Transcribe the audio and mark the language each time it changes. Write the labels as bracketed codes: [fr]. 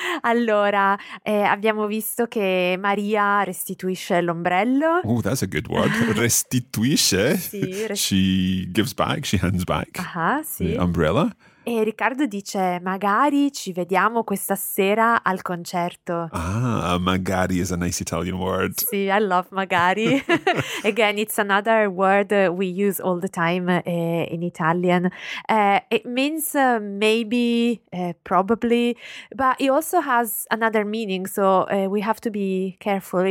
[it] Allora, abbiamo visto che Maria restituisce l'ombrello. [en] Oh, that's a good word. Restituisce. [it] Sì, [en] she gives back, she hands back [it] sì. [en] the umbrella. [it] E Riccardo dice, magari ci vediamo questa sera al concerto. [en] Ah, magari is a nice Italian word. Sì, I love magari. Again, it's another word we use all the time in Italian. It means maybe, probably, but it also has another meaning, so we have to be careful.